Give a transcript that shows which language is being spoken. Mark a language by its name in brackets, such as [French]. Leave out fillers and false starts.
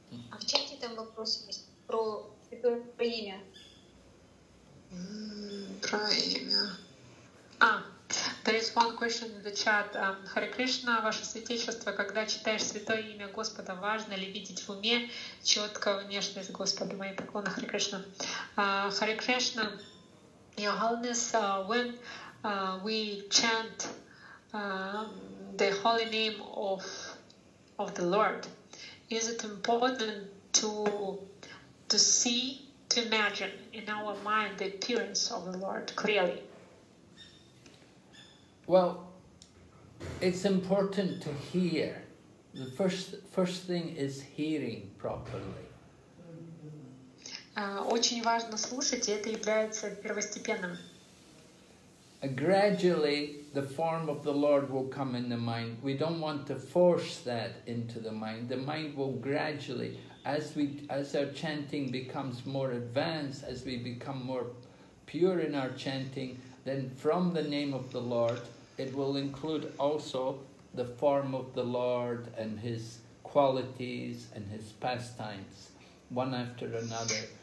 [Russian] А в чате там вопрос есть про про имя. Про имя. [English] There is one question in the chat. [Russian] Харе Кришна, ваше святейшество, когда читаешь святое имя Господа, важно ли видеть в уме четко внешность Господа? Мои поклоны, Харе Кришна. [English] Харе Кришна, Your Holiness, when we chant the holy name of the Lord, is it important to see, to imagine in our mind the appearance of the Lord clearly? Well, it's important to hear. The first thing is hearing properly. [Russian] Очень важно слушать, и это является первостепенным. [English] Gradually, the form of the Lord will come in the mind. We don't want to force that into the mind. The mind will gradually, as our chanting becomes more advanced, as we become more pure in our chanting, then from the name of the Lord, it will include also the form of the Lord and His qualities and His pastimes, one after another.